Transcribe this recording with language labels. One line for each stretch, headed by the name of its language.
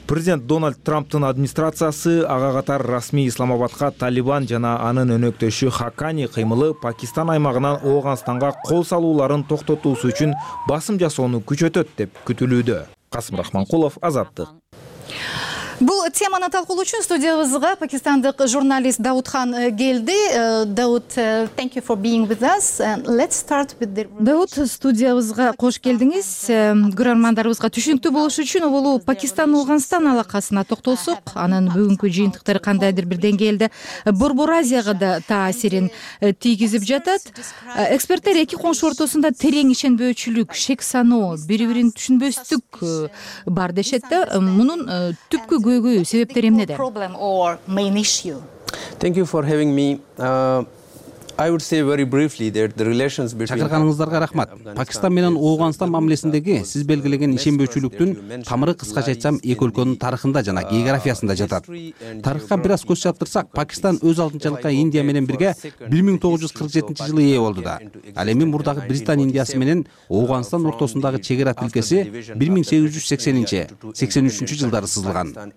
Kyrgyz: Президент Дональд Трамптын администрациясы, ага катар расмий Исламабадка Талибан жана анын өнөктөшү Хакани кыймылы Пакистан аймагынан Ооганстанга кол салууларын токтотуусу үчүн басым жасоону күчөтөт деп күтүлүүдө. Касым Рахманкулов, Азаттык. Бул теманы талкуулоо үчүн студиябызга пакистандык журналист Даутхан келди.
English: Даут, thank you for being with us. Let's start with the...
Kyrgyz: Даут, студиябызга кош келдиңиз. Көрөрмандарыбызга түшүнүктүү болуш үчүн оболу Пакистан Ооганстан алакасына токтолсок, анын бүгүнкү жыйынтыктары кандайдыр бир деңгээлде Борбор Азияга да таасирин тийгизип жатат. Эксперттер эки коңшу ортосунда терең ишенбөөчүлүк, шек саноо, бири бирин түшүнбөстүк бар дешет да. Мунун түпкү көйгөй себептери эмнеде?
English: Thank you for having me. I would say very briefly that the relations between
Kyrgyz: чакырганыңыздарга рахмат. Пакистан менен Ооганстан мамилесиндеги сиз белгилеген ишенбөөчүлүктүн тамыры кыскача айтсам эки өлкөнүн тарыхында жана географиясында жатат. Тарыхка бир аз көз чаптырсак, Пакистан өз алдынчылыкка Индия менен бирге 1947 жылы ээ болду да. Ал эми мурдагы Британ Индиясы менен Ооганстан ортосундагы чек ара тилкеси 1880-83 жылдары сызылган.